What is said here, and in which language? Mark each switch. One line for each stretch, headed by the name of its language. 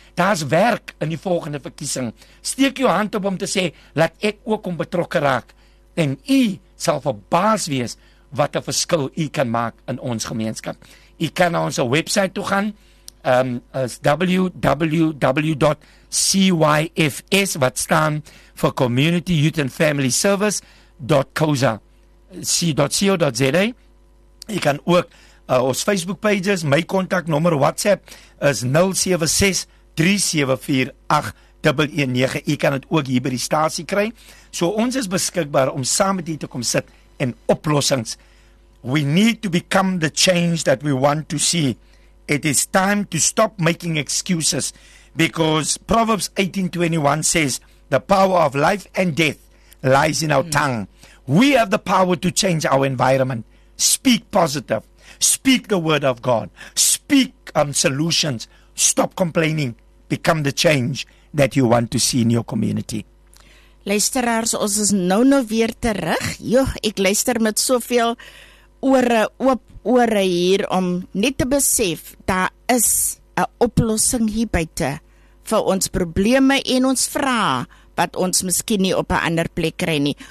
Afrikaans: Daar's werk in die volgende verkiesing. Steek jou hand op om te sê, laat ek ook om betrokke raak. En u sal verbaas wees wat 'n verskil u kan maak in ons gemeenskap. U kan na ons website toe gaan, is www.cyfs wat staan vir Community Youth and Family Service .co.za c.co.za. Jy kan ook ons Facebook pages, my kontaknommer WhatsApp is 0763748119. Jy kan dit ook hier by die stasie kry. So ons is beskikbaar om saam met julle te kom sit en oplossings.
English: We need to become the change that we want to see. It is time to stop making excuses because Proverbs 18:21 says the power of life and death lies in our tongue. We have the power to change our environment. Speak positive. Speak the word of God. Speak solutions. Stop complaining. Become the change that you want to see in your community.
Afrikaans: Luisteraars, ons is nou weer terug. Jo, ek luister met soveel ore oop ore hier om net te besef daar is 'n oplossing hier buite vir ons probleme en ons vrae wat ons miskien nie op 'n ander plek kry nie.